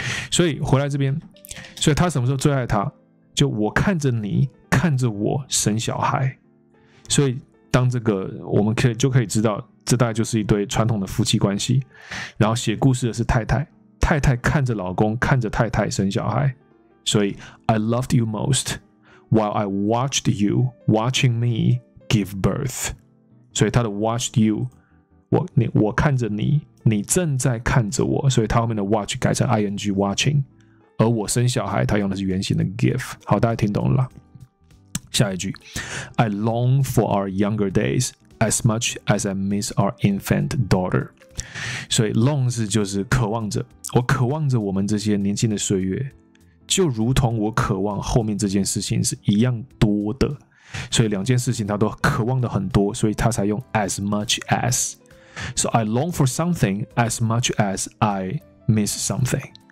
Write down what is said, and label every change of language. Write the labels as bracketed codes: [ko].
[zh] 所以回来这边，所以他什么时候最爱他？就我看着你，看着我生小孩，所以。当这个我们就可以知道，这大概就是一对传统的夫妻关系。然后写故事的是太太，太太看着老公，看着太太生小孩。 [en] 所以 I loved you most while I watched you watching me give birth。 [zh] 所以他的 watched you， 我看着你，你正在看着我，所以他后面的 watch 改成 ing watching， 而我生小孩，他用的是原形的 give。好，大家听懂了啦。下一句 [en] I long for our younger days as much as I miss our infant daughter。 [zh] 所以 long 是就是渴望着，我渴望着我们这些年轻的岁月，就如同我渴望后面这件事情是一样多的，所以两件事情他都渴望的很多，所以他才用 as much as。 [en] So I long for something as much as I miss something。